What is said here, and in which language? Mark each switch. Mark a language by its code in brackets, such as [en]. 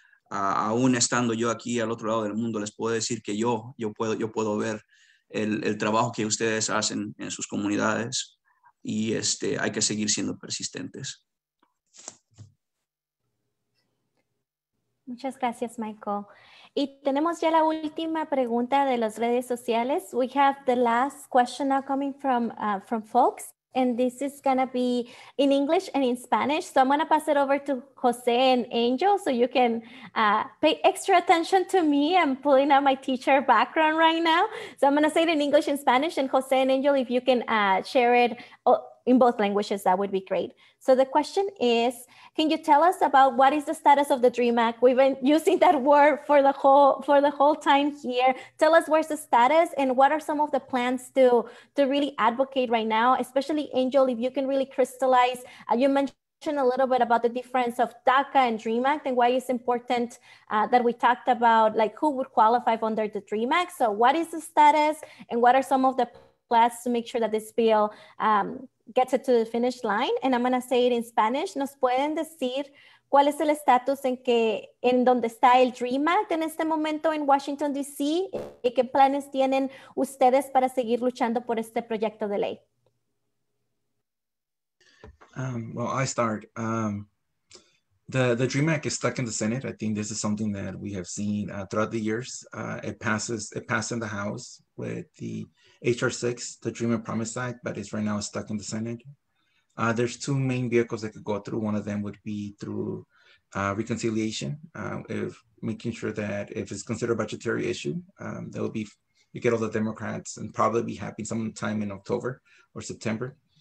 [es] Aún estando yo aquí al otro lado del mundo, les puedo decir que yo puedo ver el trabajo que ustedes hacen en sus comunidades y hay que seguir siendo persistentes. Muchas gracias, Michael. Y tenemos ya la última pregunta de las redes sociales. [en] We have the last question now coming from folks. And this is going to be in English and in Spanish. So I'm going to pass it over to Jose and Angel so you can pay extra attention to me. I'm pulling out my teacher background right now. So I'm going to say it in English and Spanish. And Jose and Angel, if you can share it in both languages, that would be great. So the question is, can you tell us about what is the status of the DREAM Act? We've been using that word for the whole time here. Tell us where's the status and what are some of the plans to really advocate right now, especially Angel, if you can really crystallize. You mentioned a little bit about the difference of DACA and DREAM Act and why it's important that we talked about like who would qualify under the DREAM Act. So what is the status and what are some of the plans to make sure that this bill gets it to the finish line, and I'm going to say it in Spanish. [es] ¿Nos pueden decir cuál es el estatus en donde está el DREAM Act en este momento en Washington, D.C.? ¿Y qué planes tienen ustedes para seguir luchando por este proyecto de ley? [en] Well, I start. The DREAM Act is stuck in the Senate. I think this is something that we have seen throughout the years. It passed in the House with the H.R. 6, the Dream and Promise Act, but it's right now stuck in the Senate. There's two main vehicles that could go through. One of them would be through reconciliation, if making sure that if it's considered a budgetary issue, you get all the Democrats and probably be happy sometime in October or September.